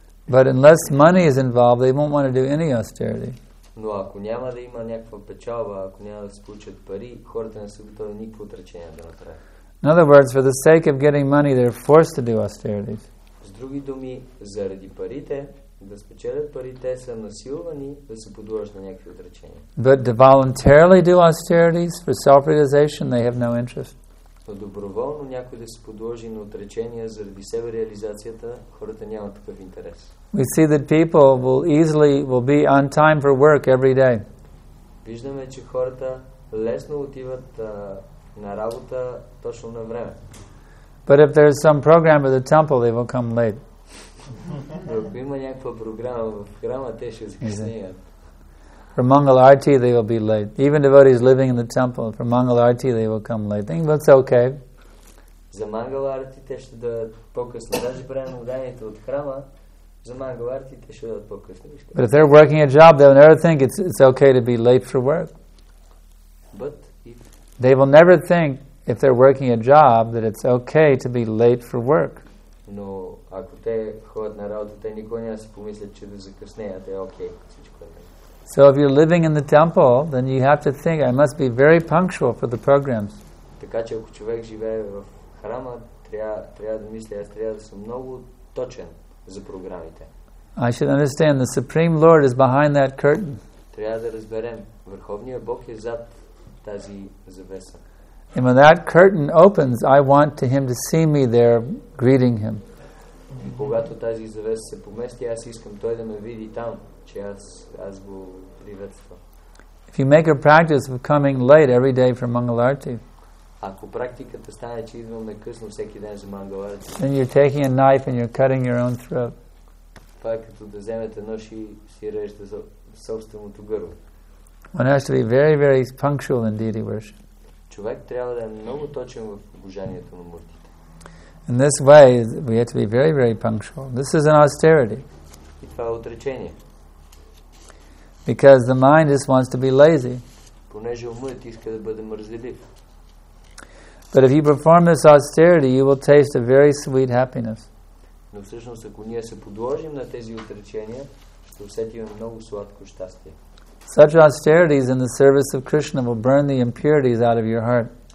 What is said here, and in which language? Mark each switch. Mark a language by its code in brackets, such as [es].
[en] But unless money is involved, they won't want to do any austerity. [bg] Но ако няма да има някаква печалба, ако няма да се получат пари, хората не са готови никакво отречение да направят. [en] In other words, for the sake of getting money, they're forced to do austerity. [bg] С други думи, заради парите, да спечелят пари, те са насилвани да се подложат на някакви отречения. [en] But to voluntarily do austerities for self-realization, they have no interest. [bg] Но доброволно някой да се подложи на отречения заради себе реализацията, хората нямат такъв интерес. [en] We see that people will be on time for work every day. [bg] Виждаме, че хората лесно отиват на работа точно на време. [en] But if there is some program at the temple, they will come late. [bg] Ако има някаква програма в храма, те ще закъснеят. [en] For Mangal Arati, they will be late. Even devotees living in the temple, for Mangal Arati, they will come late. Think that's okay. [bg] За Mangal Arati, те ще дадат по-късно. Даже време на уданието от храма, за Mangal Arati, те ще дадат по-късно. [en] But if they're working a job, they'll never think it's okay to be late for work. But if... They will never think, if they're working a job, that it's okay to be late for work. [bg] Но ако те ходят на работа, те никога няма си помислят, че да закъснеят, е окей. [en] So if you're living in the temple, then you have to think, I must be very punctual for the programs. [bg] Така че ако човек живее в храма, трябва да мисля, аз трябва да съм много точен за програмите. [en] I should understand, the Supreme Lord is behind that curtain. [bg] Трябва да разберем, Върховният Бог е зад тази завеса. [en] And when that curtain opens, I want to him to see me there greeting him. [bg] И когато тази завеса се помести, аз искам той да ме види там. Аз го приветствам. [en] If you make a practice of coming late every day for Mangal Arati, [bg] ако практиката стане, че идвам накъсно всеки ден за Mangal Arati, [en] then you're taking a knife and you're cutting your own throat. [bg] Това е като да вземете нож и си режете собственото гърло. [en] One has to be very, very punctual in deity worship. [bg] Човек трябва да е много точен в обожанието на муртите. [en] In this way, we have to be very, very punctual. This is an austerity. [bg] И това е отречение. [en] Because the mind just wants to be lazy. [bg] Понеже умът иска да бъде мързелив. [en] But if you perform this austerity, you will taste a very sweet happiness. [bg] Но всъщност, ако ние се подложим на тези отречения, ще усетим много сладко щастие. [en] Such austerities in the service of Krishna will burn the impurities out of your heart.